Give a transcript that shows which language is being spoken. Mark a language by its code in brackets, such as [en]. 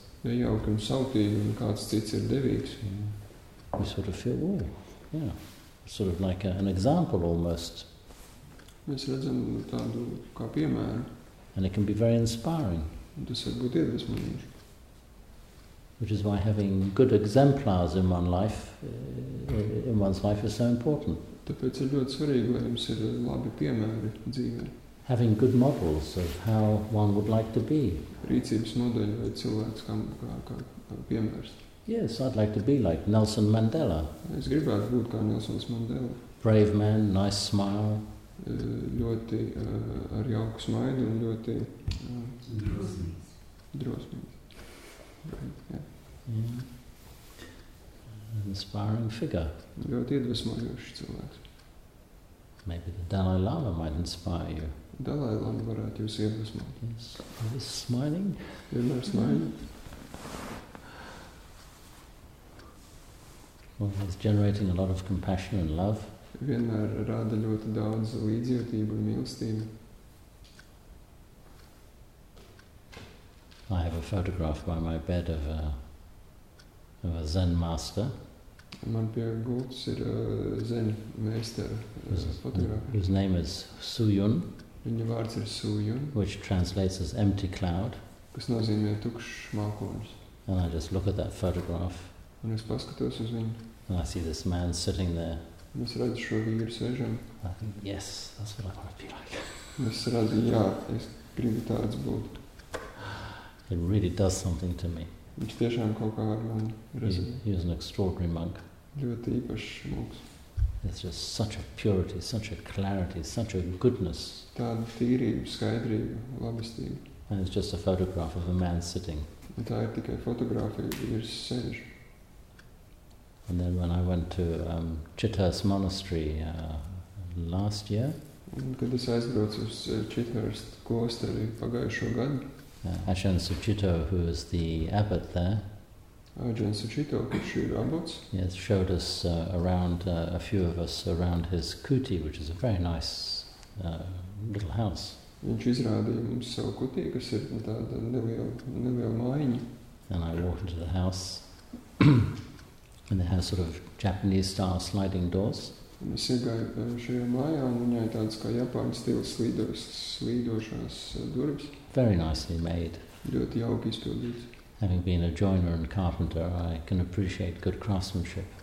[lv] nejauki un sautīgi, un kāds cits ir devīgs, [en] we sort of feel, oh, yeah. Sort of like an example almost. [lv] Mēs redzam tādu kā piemēru. [en] And it can be very inspiring. [lv] Tas var būt iedvesmojoši. [en] Which is why having good exemplars in one life, in one's life is so important. [lv] Tāpēc ir ļoti svarīgi, lai jums ir labi piemēri dzīvē. [en] Having good models of how one would like to be. [lv] Rīcības modeļi vai cilvēks kā piemērs. [en] Yes, I'd like to be like Nelson Mandela. [lv] Es gribētu būt kā Nelsons Mandela. [en] Brave man, nice smile. [lv] Ļoti ar jauku smaidu un ļoti drosmīgs. Drosmīgs. [en] Yeah. An inspiring figure. [lv] Ļoti iedvesmojošs cilvēks. [en] Maybe the Dalai Lama might inspire you. [lv] Dalai Lama varētu jūs iedvesmot. [en] Yes. Are you smiling? [lv] Vienmēr smiling. Mm. [en] Well, it's generating a lot of compassion and love. [lv] Vienmēr rada ļoti daudz līdzjūtību un mīlestību. [en] I have a photograph by my bed of a Zen master. [lv] Man pie gultas ir Zen meistara fotografija. [en] His name is Su Yun. [lv] Viņa vārds ir Su Yun. [en] Which translates as empty cloud. [lv] Kas nozīmē tukšs mākonis. [en] And I just look at that photograph. [lv] Un es paskatos uz viņu. [en] And I see this man sitting there. [lv] Mēs redzu šo vīru sēžam. [en] Yes, that's what I want to be like. [lv] Mēs redzu, jā, es gribu tāds būt. [en] It really does something to me. [lv] Viņš tiešām kaut kā ar mani rezonē. [en] He is an extraordinary monk. [lv] Ļoti īpašs monks. [en] It's just such a purity, such a clarity, such a goodness. [lv] Tāda tīrība, skaidrība, labestība. [en] And it's just a photograph of a man sitting. [lv] Un tā ir tikai fotografija, vīrs sēž. [en] And then when I went to Chithurst Monastery last year, [lv] kad es aizbraucu uz Chithurst klosteri pagājušo gadu, [en] Ajahn Suchito, who is the abbot there, [lv] Ajahn Suchito, kurš ir abbots, [en] yes, showed us around a few of us around his kuti, which is a very nice little house. [lv] Viņš izrādīja mums savu kuti, kas ir tāda neliela mājiņa. [en] And I walked into the house. And they have sort of Japanese-style sliding doors. [lv] Mēs iegāju šajā mājā, un viņai tāds kā Japāņu stila slīdošās durvis. [en] Very nicely made. [lv] Ļoti jauki izpildīts. [en] Having been a joiner and carpenter, I can appreciate good craftsmanship.